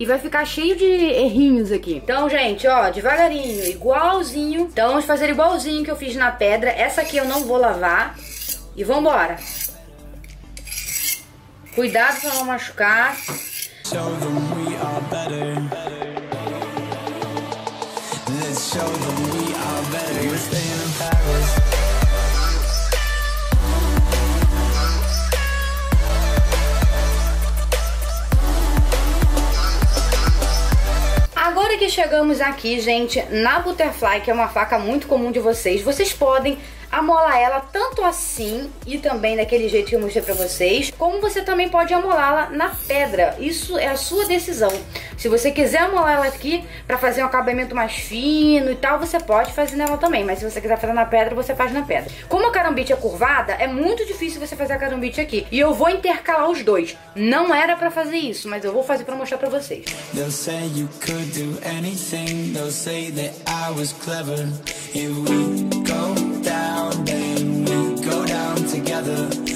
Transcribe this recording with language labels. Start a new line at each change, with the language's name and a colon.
Portuguese: E vai ficar cheio de errinhos aqui. Então, gente, ó, devagarinho, igualzinho. Então vamos fazer igualzinho que eu fiz na pedra. Essa aqui eu não vou lavar. E vambora. Cuidado pra não machucar.
English: Show them we are better. Let's show them we are better. We're staying in Paris.
Portuguese: Agora que chegamos aqui, gente, na Butterfly, que é uma faca muito comum de vocês, vocês podem amolar ela tanto assim e também daquele jeito que eu mostrei pra vocês, como você também pode amolá-la na pedra. Isso é a sua decisão. Se você quiser amolar ela aqui pra fazer um acabamento mais fino e tal, você pode fazer nela também. Mas se você quiser fazer na pedra, você faz na pedra. Como a carambite é curvada, é muito difícil você fazer a carambite aqui. E eu vou intercalar os dois. Não era pra fazer isso, mas eu vou fazer pra mostrar pra vocês.
English: They'll say you could do anything. They'll say that I was clever. Here we go down, then we go down together.